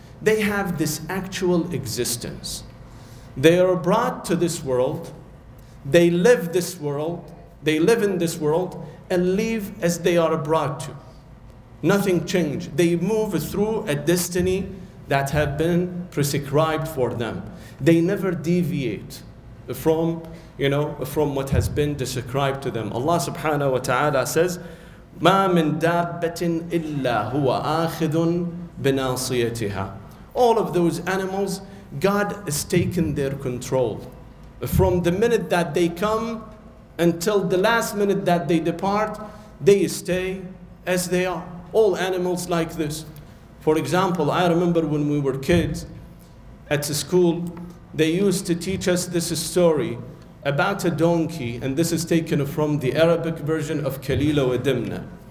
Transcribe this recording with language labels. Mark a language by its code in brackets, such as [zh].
[en] they have this actual existence. They are brought to this world, they live this world, they live in this world, and live as they are brought to. Nothing changed. They move through a destiny that have been prescribed for them. They never deviate from, you know, from what has been described to them. [ar] Allah subhanahu wa ta'ala says, مَا مِن دَابَّةٍ إِلَّا هُوَ آخِذٌ بِنَاصِيَتِهَا. [en] All of those animals, God has taken their control. From the minute that they come until the last minute that they depart, they stay as they are. All animals like this. For example, I remember when we were kids at school, they used to teach us this story about a donkey, and this is taken from the Arabic version of Kalilo Adimna.